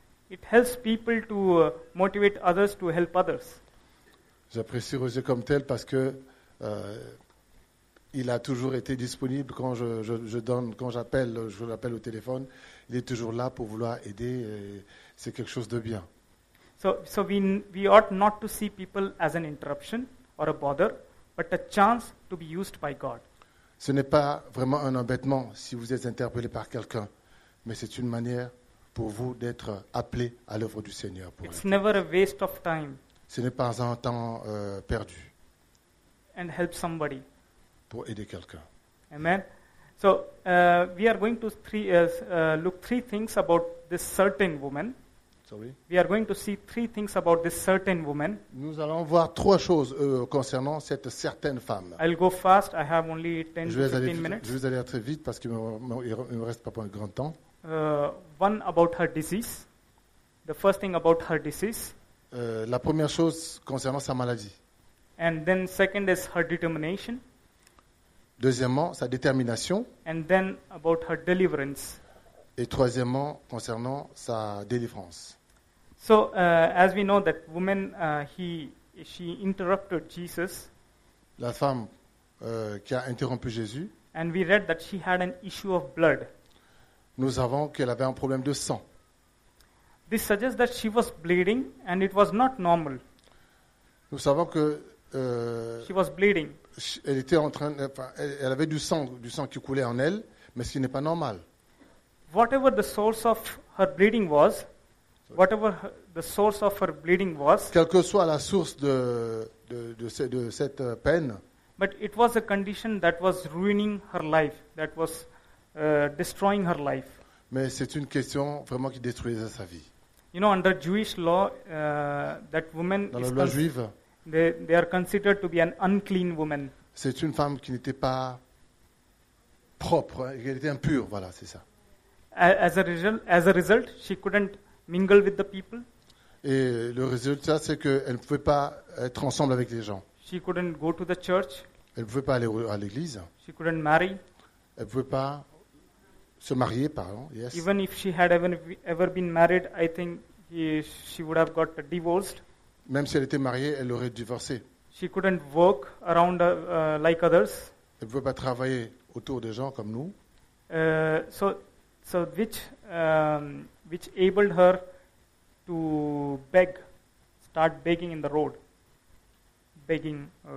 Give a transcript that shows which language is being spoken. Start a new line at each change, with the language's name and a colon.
English: It helps people to motivate others to help others.
French: J'apprécie Roger comme tel parce que il a toujours été disponible quand je l'appelle au téléphone. Il est toujours là pour vouloir aider. C'est quelque chose de bien.
English: So we ought not to see people as an interruption or a bother, but a chance to be used by God.
French: Ce n'est pas vraiment un embêtement si vous êtes interpellé par quelqu'un, mais c'est une manière pour vous d'être appelé à l'œuvre du Seigneur.
English: Never a waste of time.
French: Ce n'est pas un temps perdu.
English: And help somebody.
French: Pour aider quelqu'un.
English: Amen. So we are going to look three things about this certain woman. So sorry. We are going to see three things about this certain woman.
French: Nous allons voir trois choses concernant cette certaine femme.
English: I'll go fast. I have only 10 to 15 minutes.
French: Je vais aller très vite parce qu'il me reste pas un grand temps.
English: One about her disease. The first thing about her disease.
French: La première chose concernant sa maladie.
English: And then second is her determination.
French: Deuxièmement, sa détermination.
English: And then about her deliverance.
French: Et troisièmement, concernant sa délivrance.
English: So, as we know that woman, she interrupted Jesus.
French: La femme qui a interrompu Jésus.
English: And we read that she had an issue of blood.
French: Nous avons qu'elle avait un problème de sang.
English: This suggests that she was bleeding and it was not normal.
French: Nous savons que
English: she was bleeding.
French: Elle était en train, elle avait du sang qui coulait en elle, mais ce qui n'est pas normal.
English: Whatever the source of her bleeding was,
French: quelle que soit la source de cette peine,
English: but it was a condition that was ruining her life, that was destroying her life.
French: Mais c'est une question vraiment qui détruisait sa vie.
English: You know, under Jewish law, that woman
French: dans la loi juive,
English: they are considered to be an unclean woman.
French: C'est une femme qui n'était pas propre, qui était impure, voilà, c'est ça.
English: As a result, she couldn't mingle with the people.
French: Et le résultat, c'est qu'elle ne pouvait pas être ensemble avec les gens.
English: She couldn't go to the church.
French: Elle ne pouvait pas aller à l'église.
English: She couldn't marry.
French: Elle ne pouvait pas se marier, pardon. Yes.
English: Even if she had ever been married, I think she would have got divorced.
French: Même si elle était mariée, elle aurait divorcé.
English: She couldn't work around like others.
French: Elle ne pouvait pas travailler autour des gens comme nous.
English: So which enabled her to beg, start begging in the road, begging.